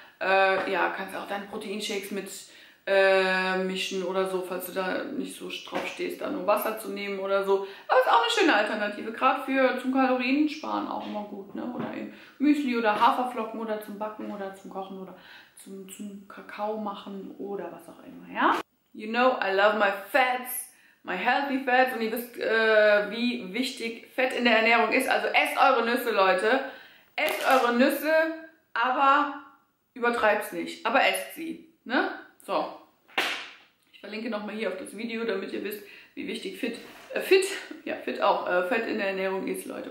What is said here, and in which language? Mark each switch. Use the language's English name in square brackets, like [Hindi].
[German] Ja, kannst auch deine Proteinshakes mischen oder so, falls du da nicht so drauf stehst, da nur Wasser zu nehmen oder so. Aber ist auch eine schöne Alternative, gerade für zum Kaloriensparen auch immer gut, ne? Oder eben Müsli oder Haferflocken oder zum Backen oder zum Kochen oder zum Kakao machen oder was auch immer, ja? [English] You know, I love my fats, my healthy fats. [German] Und ihr wisst, wie wichtig Fett in der Ernährung ist. Also esst eure Nüsse, Leute. Esst eure Nüsse, aber übertreibt's nicht. Aber esst sie, ne? So, ich verlinke nochmal hier auf das Video, damit ihr wisst, wie wichtig fit auch Fett in der Ernährung ist, Leute.